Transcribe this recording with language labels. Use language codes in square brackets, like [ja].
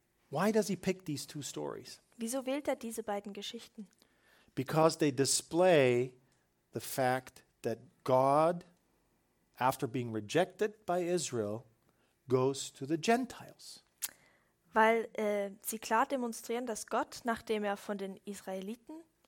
[en] Why does he pick these two stories? [de] Wieso wählt er diese beiden Geschichten? [en] Because they display the fact that God, after being rejected by Israel, goes to the Gentiles. [de] Weil sie klar demonstrieren, dass Gott, nachdem er von den Israeliten